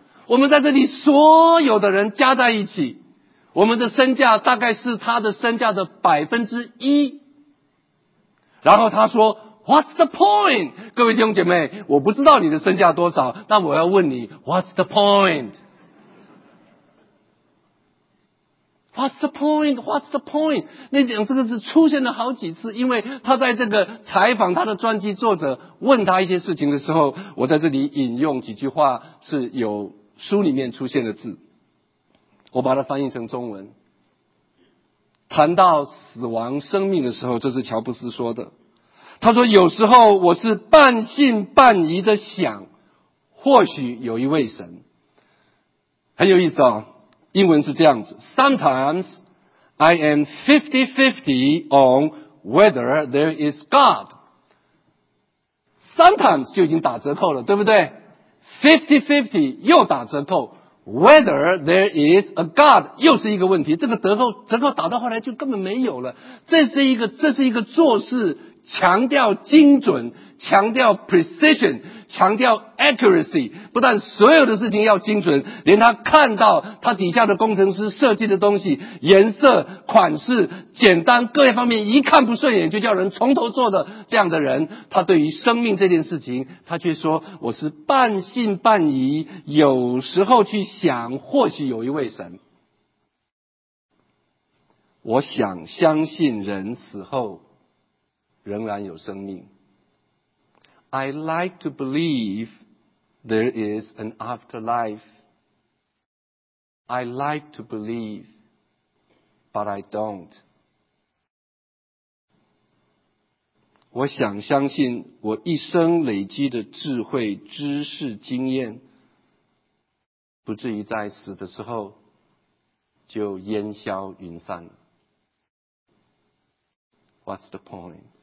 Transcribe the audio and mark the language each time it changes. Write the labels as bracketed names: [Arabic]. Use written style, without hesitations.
[Chinese] 我们在这里所有的人加在一起，我们的身价大概是他的身价的1%。然后他说 [English] What's the point? [Chinese] 各位弟兄姐妹，我不知道你的身价多少，那我要问你 [English] What's the point? What's the point? What's the point? [Chinese] 那两个字出现了好几次，因为他在这个采访他的传记作者问他一些事情的时候，我在这里引用几句话是有书里面出现的字，我把它翻译成中文。谈到死亡生命的时候，这是乔布斯说的，他说有时候我是半信半疑的想，或许有一位神。很有意思哦，英文是这样子， [English] Sometimes I am 50-50 on whether there is God. [Chinese] Sometimes 就已经打折扣了，对不对？50-50 又打折扣， [English] Whether there is a God [Chinese] 又是一个问题，这个折扣打到后来就根本没有了。这是一个做事强调精准，强调 precision， 强调 accuracy， 不但所有的事情要精准，连他看到他底下的工程师设计的东西颜色款式简单各一方面一看不顺眼就叫人从头做的，这样的人他对于生命这件事情他却说我是半信半疑，有时候去想或许有一位神。我想相信人死后仍然有生命。 [English] I like to believe there is an afterlife. I like to believe, but I don't. [Chinese] 我想相信我一生累积的智慧、知识、经验，不至于在死的时候就烟消云散了。 [English] What's the point?